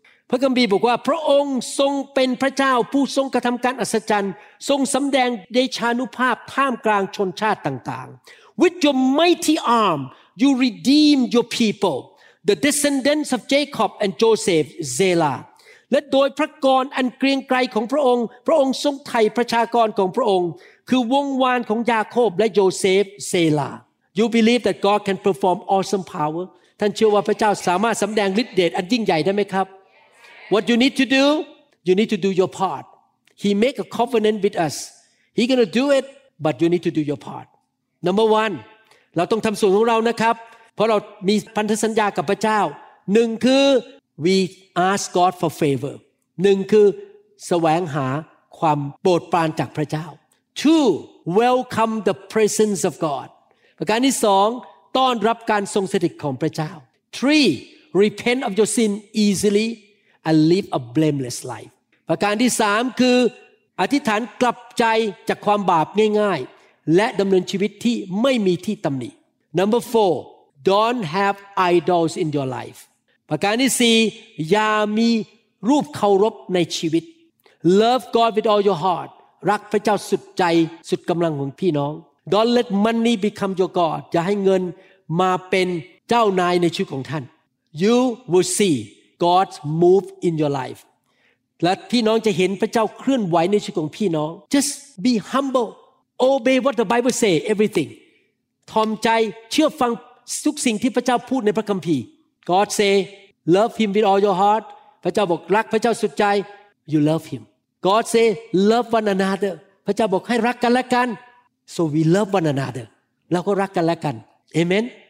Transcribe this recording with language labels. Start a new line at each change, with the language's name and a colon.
Thai: พระคัมภีร์บอกว่าพระองค์ทรงเป็นพระเจ้าผู้ทรงกระทำการอัศจรรย์ทรงสำแดงเดชานุภาพท่ามกลางชนชาติต่างๆ
English: With your mighty arm you redeem your peopleThe descendants of Jacob and Joseph, Zelah.
Thai: และโดยพระกรอันเกรียงไกรของพระองค์พระองค์ทรงไถ่ประชากรของพระองค์คือวงวานของยาโคบและโยเซฟ Zelah.
English: You believe that God can perform awesome power?
Thai: ท่านเชื่อว่าพระเจ้าสามารถสำแดงฤทธิ์เดชอันยิ่งใหญ่ได้ไหมครับ
English: What you need to do? You need to do your part. He make a covenant with us. He gonna do it, but you need to do your part. Number one,
Thai: เราต้องทำส่วนของเรานะครับเพราะเรามีพันธสัญญากับพระเจ้าหนึ่งคือ
English: we ask God for favor
Thai: หนึ่งคือแสวงหาความโปรดปรานจากพระเจ้า
English: two welcome the presence of God
Thai: ประการที่สองต้อนรับการทรงสถิตของพระเจ้า
English: three repent of your sin easily and live a blameless life
Thai: ประการที่สามคือ อธิษฐานกลับใจจากความบาปง่ายๆและดำเนินชีวิตที่ไม่มีที่ตำหนิ
English: number fourDon't have idols in your life.
Thai: ประการที่สี่อย่ามีรูปเคารพในชีวิต
English: Love God with all your heart.
Thai: รักพระเจ้าสุดใจสุดกำลังของพี่น้อง
English: Don't let money become your God.
Thai: อย่าให้เงินมาเป็นเจ้านายในชีวิตของท่าน
English: You will see God move in your life.
Thai: และพี่น้องจะเห็นพระเจ้าเคลื่อนไหวในชีวิตของพี่น้อง
English: Just be humble. Obey what the Bible say everything.
Thai: ถ่อมใจเชื่อฟังทุกสิ่งที่พระเจ้าพูดในพระคัมภีร์
English: God say love him with all your heart
Thai: พระเจ้าบอกรักพระเจ้าสุดใจ
English: you love him God say love one another
Thai: พระเจ้าบอกให้รักกันและกัน
English: so we love one another
Thai: เราก็รักกันและกัน Amen